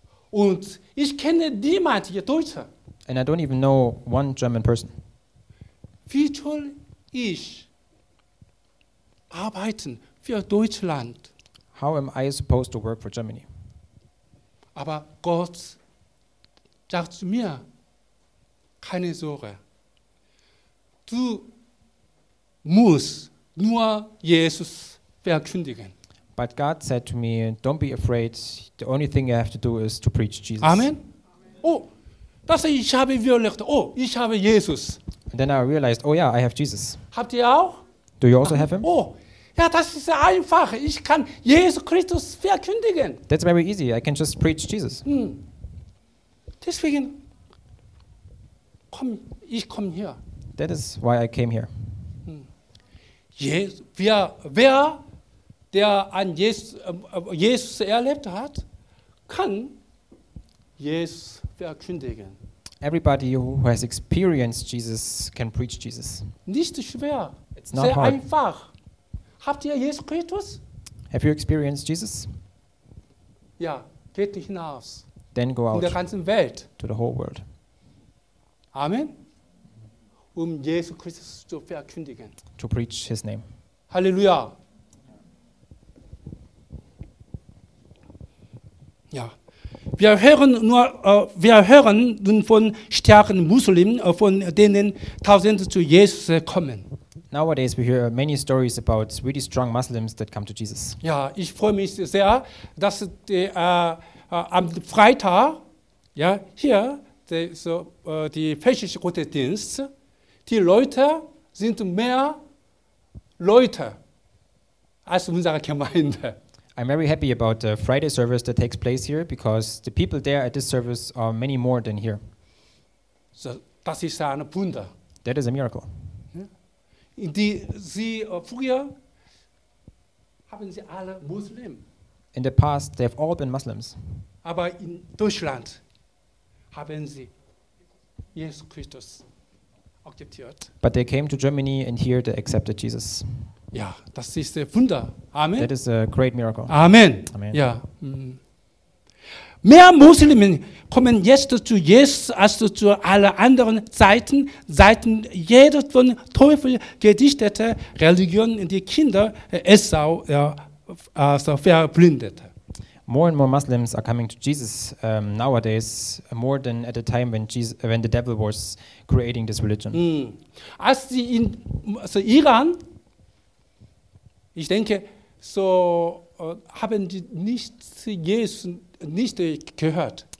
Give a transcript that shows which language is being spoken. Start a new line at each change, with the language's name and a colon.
German: Und ich kenne niemand hier Deutscher.
English: And I don't even know one German person.
German: Wie soll ich arbeiten für Deutschland?
English: How am I supposed to work for Germany?
German: Aber Gott sagt zu mir, keine Sorge. Du musst nur Jesus verkündigen.
English: But God said to me, don't be afraid. The only thing you have to do is to preach Jesus. Amen.
German: Oh, das ich habe Violette. Oh, ich habe Jesus.
English: And then I realized, oh yeah, I have Jesus.
German: Habt ihr auch?
English: Do you also have him?
German: Oh, ja, das ist einfach. Ich kann Jesus Christus verkündigen.
English: That's very easy. I can just preach Jesus.
German: Hm. Deswegen komm hier.
English: That is why I came here.
German: Jesus, wer der an Jesus erlebt hat, kann Jesus verkündigen.
English: Everybody who has experienced Jesus can preach Jesus.
German: Nicht schwer.
English: It's not
German: sehr
English: hard.
German: Einfach. Habt ihr Jesus Christus?
English: Have you experienced Jesus?
German: Ja, geht nicht hinaus.
English: Then go out.
German: In der ganzen Welt.
English: To the whole world.
German: Amen. Um Jesus Christus zu verkündigen.
English: To preach his name.
German: Halleluja. Ja. Wir hören nun von starken Muslimen, von denen tausende zu Jesus kommen.
English: Nowadays we hear many stories about really strong Muslims that come to Jesus.
German: Ja, ich freue mich sehr, dass am Freitag, ja, hier die fächische Gottesdienst, die Leute sind mehr Leute als unsere Gemeinde.
English: I'm very happy about the Friday service that takes place here because the people there at this service are many more than here.
German: So, das ist ein Wunder.
English: That is a miracle.
German: Ja. Früher haben sie alle Muslim.
English: In the past, they have all been Muslims.
German: Aber in Deutschland haben sie Jesus Christus akzeptiert.
English: But they came to Germany and here they accepted Jesus.
German: Ja, das ist ein Wunder. Amen.
English: That is a great miracle.
German: Amen. Amen. Ja. Mehr Muslimen kommen jetzt zu Jesus als zu allen anderen Zeiten, seitdem jeder von Teufel gedichtete Religion in die Kinder Esau verblindete.
English: More and more Muslims are coming to Jesus nowadays, more than at the time when the devil was creating this religion. Mm.
German: Als sie in Iran, ich denke, so haben die nicht Jesus nicht gehört.